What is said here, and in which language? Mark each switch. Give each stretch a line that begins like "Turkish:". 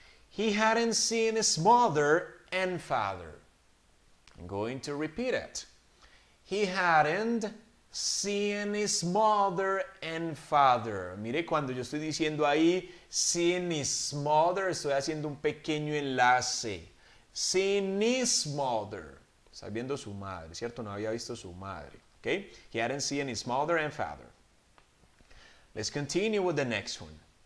English: He hadn't seen his mother and father. I'm going to repeat it. He hadn't seeing his mother and father.
Spanish: Mire, cuando yo estoy diciendo ahí,
English: seeing his mother,
Spanish: estoy haciendo un pequeño enlace.
English: Seeing his mother.
Spanish: Estás viendo su madre, ¿cierto? No había visto su madre. Okay?
English: He hadn't seen his mother and father. Let's continue with the next one.